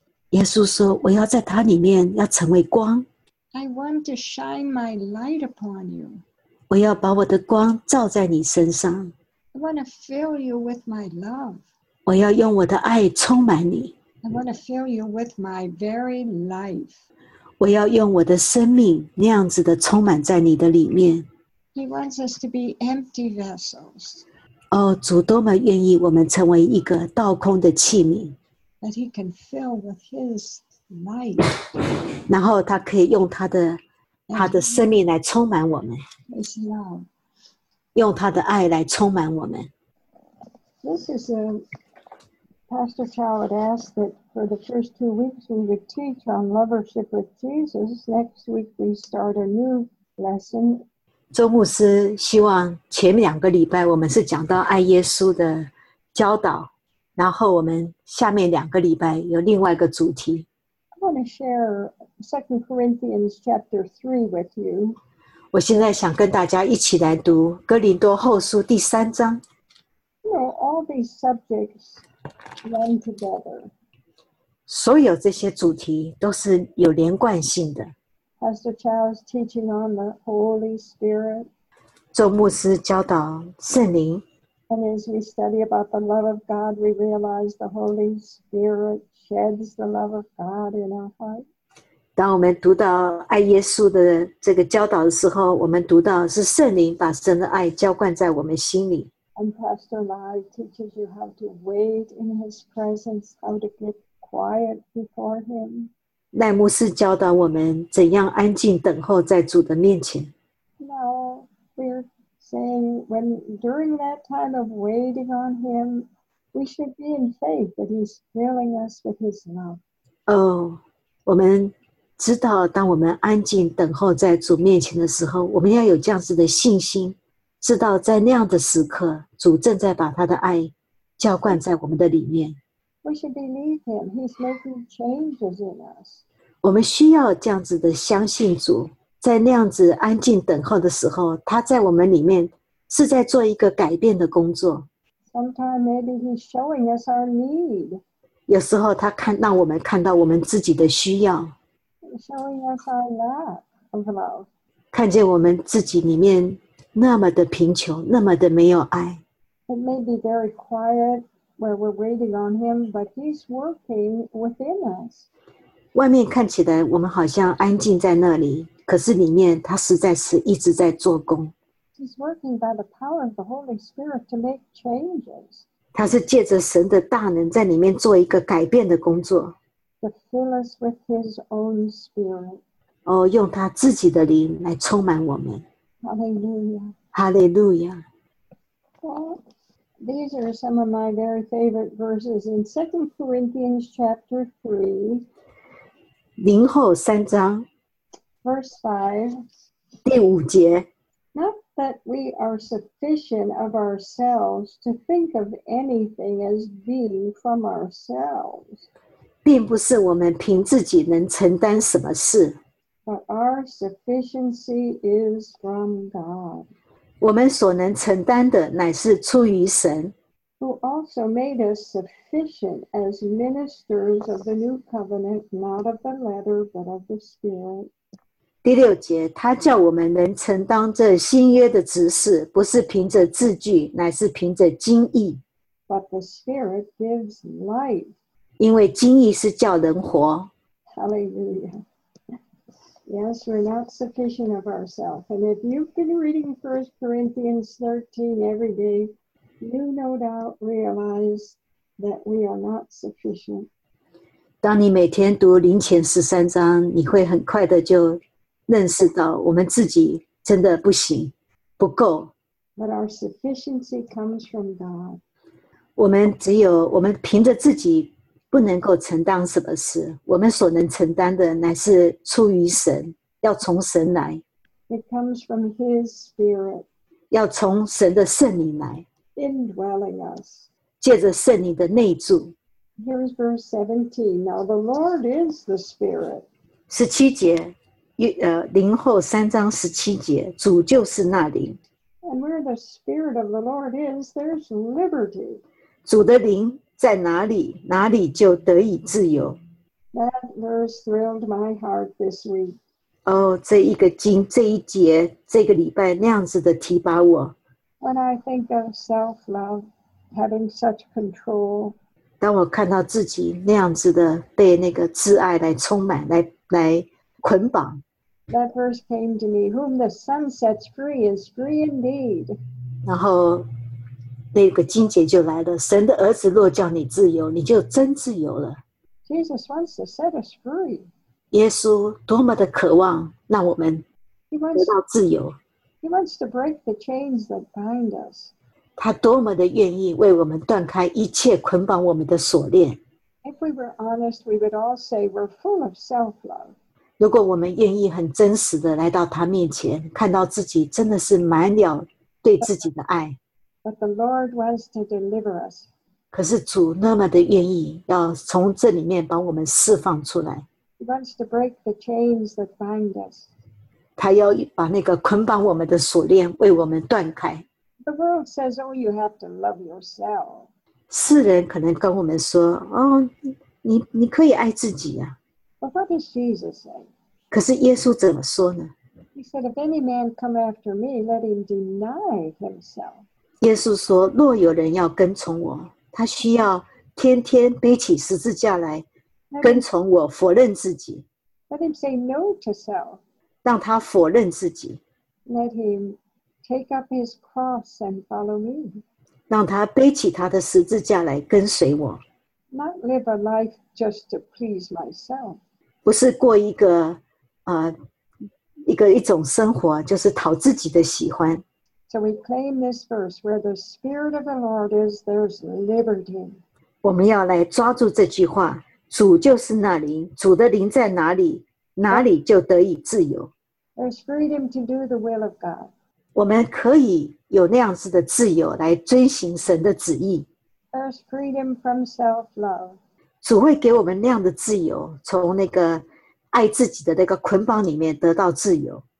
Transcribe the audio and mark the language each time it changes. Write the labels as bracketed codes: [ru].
[zh] 耶稣说，我要在他里面要成为光。 [en] I want to shine my light upon you. [zh] 我要把我的光照在你身上。 [en] I want to fill you with my love. [zh] 我要用我的爱充满你。 [en] I want to fill you with my very life. [zh] 我要用我的生命那样子的充满在你的里面。 [en] He wants us to be empty vessels. [zh] 哦，主多么愿意我们成为一个倒空的器皿。 [en] That he can fill with his light. [zh] 然后他可以用他的生命来充满我们。 [en] His love. [zh] 用他的爱来充满我们。 [en] This is a Pastor Chow had asked that for the first 2 weeks we would teach on lovership with Jesus. Next week we start a new lesson. [zh] 周牧师希望前两个礼拜我们是讲到爱耶稣的教导，然后我们下面两个礼拜有另外一个主题。 [en] I want to share 2 Corinthians chapter 3 with you. [zh] 我现在想跟大家一起来读《哥林多后书》第三章。 [en] You know, all these subjects run together. [zh] 所有这些主题都是有连贯性的。 [en] Pastor Chow's teaching on the Holy Spirit. [zh] 周牧师教导圣灵。 [en] And as we study about the love of God, we realize the Holy Spirit sheds the love of God in our heart. [zh] 当我们读到爱耶稣的这个教导的时候，我们读到是圣灵把神的爱浇灌在我们心里。 [en] And Pastor Lai teaches you how to wait in his presence, how to get quiet before him. [zh] 赖牧师教导我们怎样安静等候在主的面前。 [en] Now, we're saying when during that time of waiting on him, we should be in faith that he's filling us with his love. [zh] Oh, 我们知道当我们安静等候在主面前的时候，我们要有这样子的信心。知道在那样的时刻，主正在把他的爱浇灌在我们的里面。 [en] We should believe him. He's making changes in us. [zh] 我们需要这样子的相信主，在那样子安静等候的时候，他在我们里面是在做一个改变的工作。 [en] Sometimes maybe he's showing us our need. [zh] 有时候他看让我们看到我们自己的需要。 [en] Showing us our lack of love. [zh] 看见我们自己里面。那么的贫穷，那么的没有爱。 [en] It may be very quiet where we're waiting on him, but he's working within us. [zh] 外面看起来我们好像安静在那里，可是里面他实在是一直在做工。 [en] He's working by the power of the Holy Spirit to make changes. [zh] 他是借着神的大能在里面做一个改变的工作。 [en] To fill us with his own spirit. [zh] 哦，用他自己的灵来充满我们。 [en] Hallelujah. Well, these are some of my very favorite verses in 2 Corinthians chapter 3. [zh] 林后三章 [en] Verse 5. [zh] 第五节 [en] Not that we are sufficient of ourselves to think of anything as being from ourselves. [zh] 并不是我们凭自己能承担什么事。 [en] But our sufficiency is from God. [zh] 我们所能承担的乃是出于神。 [en] Who also made us sufficient as ministers of the new covenant, not of the letter, but of the Spirit. [zh] 第六节，他叫我们能承担这新约的职事，不是凭着字句，乃是凭着经意。 [en] But the Spirit gives life. [zh] 因为经意是叫人活。 [en] Hallelujah. Yes, we're not sufficient of ourselves. And if you've been reading 1 Corinthians 13 every day, you no doubt realize that we are not sufficient. [zh] 当你每天读林前十三章，你会很快的就认识到我们自己真的不行，不够。 [en] But our sufficiency comes from God. [zh] 我们只有我们凭着自己。不能够承担什么事，我们所能承担的乃是出于神，要从神来。 [en] It comes from His Spirit. [zh] 要从神的圣灵来。 [en] Indwelling us. [zh] 借着圣灵的内住。 [en] Here's verse 17. Now the Lord is the Spirit. [zh] 十七节，灵后三章十七节，主就是那灵。 [en] And where the Spirit of the Lord is, there's liberty. [zh] 主的灵。在哪里，哪里就得以自由。 [en] That verse thrilled my heart this week. [zh] 哦，这一个经，这一节，这个礼拜那样子的提拔我。 [en] When I think of self-love, having such control. [zh] 当我看到自己那样子的被那个自爱来充满，来捆绑。 [en] That verse came to me, whom the Son sets free is free indeed. [zh] 然后那个经节就来了，神的儿子若叫你自由，你就真自由了。 [en] Jesus wants to set us free. [zh] 耶稣多么的渴望让我们得到自由。 [en] He wants to break the chains that bind us. [zh] 他多么的愿意为我们断开一切捆绑我们的锁链。 [en] If we were honest, we would all say we're full of self-love. [zh] 如果我们愿意很真实的来到他面前，看到自己真的是满了对自己的爱。 [en] But the Lord wants to deliver us. [zh] 可是主那么的愿意要从这里面把我们释放出来。 [en] He wants to break the chains that bind us. [zh] 他要把那个捆绑我们的锁链为我们断开。 [en] The world says, oh, you have to love yourself. [zh] 世人可能跟我们说，哦，你可以爱自己啊。 [en] But what does Jesus say? [zh] 可是耶稣怎么说呢？ [en] He said, if any man come after me, let him deny himself. [zh] 耶稣说，若有人要跟从我，他需要天天背起十字架来跟从我，否认自己。 [en] Let him say no to self. [zh] 让他否认自己。 [en] Let him take up his cross and follow me. [zh] 让他背起他的十字架来跟随我。 [en] Not live a life just to please myself. [zh] 不是过一个一种生活，就是讨自己的喜欢。 [en] So we claim this verse, where the Spirit of the Lord is, there's liberty. [zh] 我们要来抓住这句话，主就是那灵，主的灵在哪里，哪里就得以自由。 [en] There's freedom to do the will of God. [zh] 我们可以有那样子的自由来遵行神的旨意。 [en] There's freedom from self-love. [zh] 主会给我们那样的自由，从那个爱自己的那个捆绑里面得到自由。